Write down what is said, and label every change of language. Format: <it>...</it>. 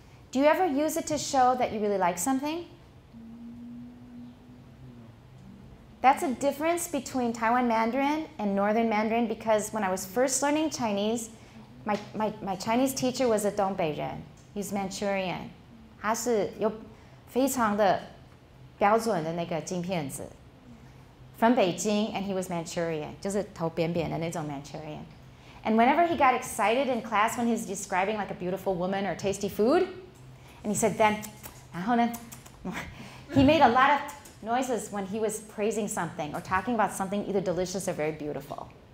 <en>Do you ever use it to show that you really like something? That's a difference between Taiwan Mandarin and Northern Mandarin because when I was first learning Chinese, my Chinese teacher was a Dongbei Ren. He's Manchurian.</en> <zh>他是有非常的标准的那个金片子。</zh> <en>From Beijing, and he was Manchurian. 就是头扁扁的那种 Manchurian. And whenever he got excited in class when he's describing like a beautiful woman or tasty food, and he said then, 然后呢, he made a lot of noises when he was praising something or talking about something either delicious or very beautiful.</en>